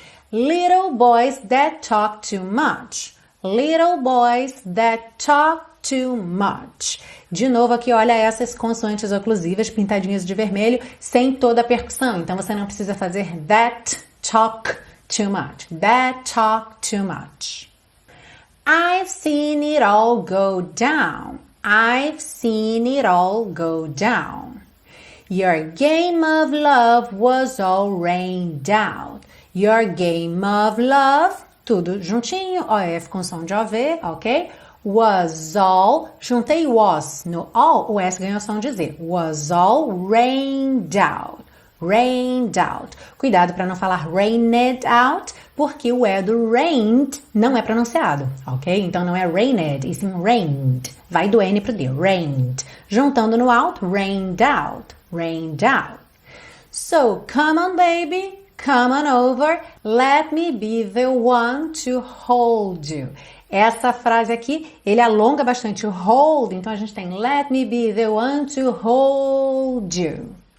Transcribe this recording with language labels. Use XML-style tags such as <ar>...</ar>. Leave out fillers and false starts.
<en>Little boys that talk too much, little boys that talk too much.</en> <pt>De novo aqui, olha essas consoantes oclusivas pintadinhas de vermelho, sem toda a percussão. Então, você não precisa fazer</pt> <en>that talk too much. That talk too much. I've seen it all go down. I've seen it all go down. Your game of love was all rained out. Your game of love,</en> <pt>tudo juntinho, OF com som de OV, ok? Was all, juntei was no all, o S ganhou som de Z.</pt> <en>Was all rained out, rained out.</en> <pt>Cuidado para não falar rained out, porque o E do rained não é pronunciado, ok? Então não é rained, e sim rained. Vai do N pro D, rained. Juntando no out, rained out, rained out.</pt> <en>So come on baby, come on over, let me be the one to hold you.</en> <pt>Essa frase aqui, ele alonga bastante o hold, então a gente tem</pt> <en>let me be the one to hold you.</en>